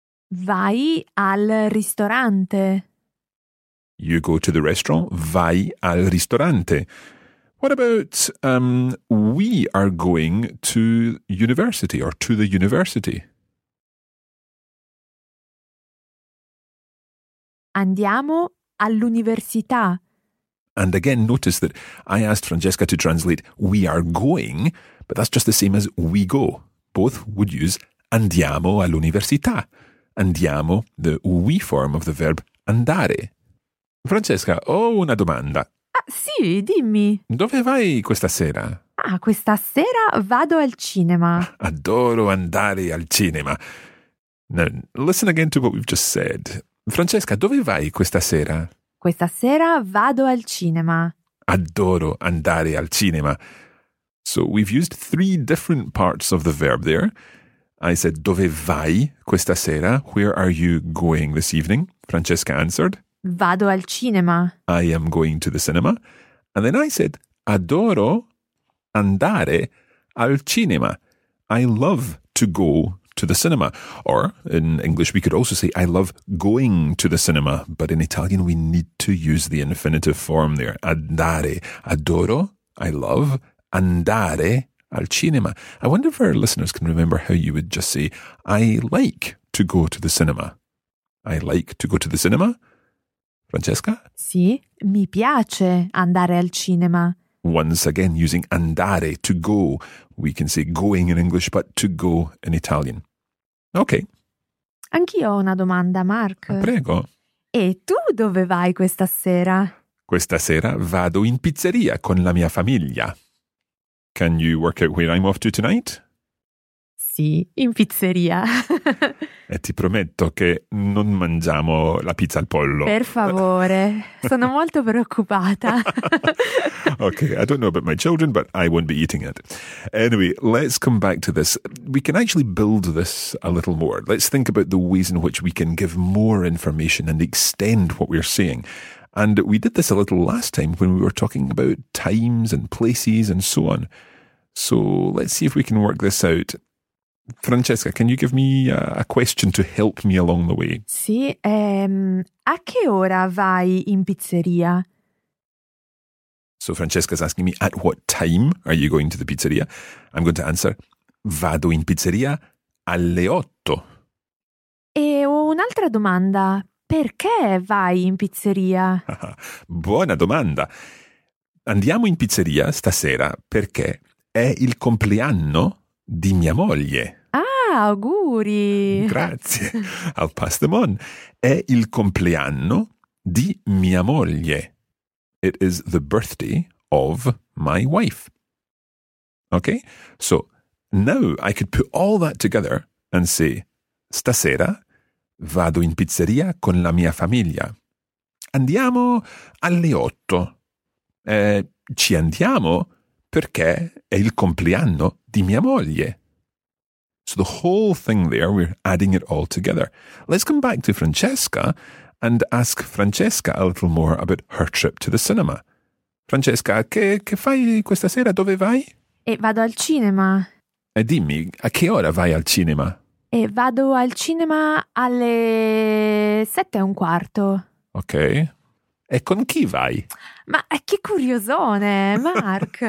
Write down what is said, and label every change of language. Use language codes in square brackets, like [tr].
[it] Vai al ristorante. [en] You go to the restaurant. [it] Vai al ristorante. [en] What about we are going to university or to the university? [it] Andiamo all'università. [en] And again, notice that I asked Francesca to translate we are going, but that's just the same as we go. Both would use [it] andiamo all'università. [en] Andiamo, the we form of the verb andare. [it] Francesca, ho una domanda. Ah, sì, dimmi. Dove vai questa sera? Ah, questa sera vado al cinema. Adoro andare al cinema. [en] Now, listen again to what we've just said. [it] Francesca, dove vai questa sera? Questa sera vado al cinema. Adoro andare al cinema. [en] So we've used three different parts of the verb there. I said, [it] dove vai questa sera? [en] Where are you going this evening? Francesca answered. [it] Vado al cinema. [en] I am going to the cinema. And then I said, [it] adoro andare al cinema. [en] I love to go to the cinema. Or in English, we could also say, I love going to the cinema. But in Italian, we need to use the infinitive form there. [it] Andare. Adoro. [en] I love. [it] Andare al cinema. [en] I wonder if our listeners can remember how you would just say, I like to go to the cinema. I like to go to the cinema. Francesca? [it] Sì, mi piace andare al cinema. [en] Once again, using andare, to go. We can say going in English, but to go in Italian. Okay. [it] Anch'io ho una domanda, Mark. Prego. E tu dove vai questa sera? Questa sera vado in pizzeria con la mia famiglia. [en] Can you work out where I'm off to tonight? [it] Sì, in pizzeria. E ti prometto che non mangiamo la pizza al pollo. Per favore, sono molto preoccupata. [en] Okay, I don't know about my children, but I won't be eating it. Anyway, let's come back to this. We can actually build this a little more. Let's think about the ways in which we can give more information and extend what we're saying. And we did this a little last time when we were talking about times and places and so on. So let's see if we can work this out. Francesca, can you give me a question to help me along the way? [it] Sì, a che ora vai in pizzeria? [en] So Francesca's asking me, at what time are you going to the pizzeria? I'm going to answer, [it] vado in pizzeria alle 8. E ho un'altra domanda, perché vai in pizzeria? Buona domanda. Andiamo in pizzeria stasera perché è il compleanno di mia moglie. Auguri! Grazie, [en] I'll pass them on. [it] È il compleanno di mia moglie. [en] It is the birthday of my wife. Okay, so now I could put all that together and say, [it] stasera vado in pizzeria con la mia famiglia. Andiamo alle 8. Ci andiamo perché è il compleanno di mia moglie. [en] So the whole thing there, we're adding it all together. Let's come back to Francesca and ask Francesca a little more about her trip to the cinema. [it] Francesca, che fai questa sera? Dove vai? E vado al cinema. E dimmi, a che ora vai al cinema? E vado al cinema alle 7:15. Ok. E con chi vai? Ma che curiosone, Mark!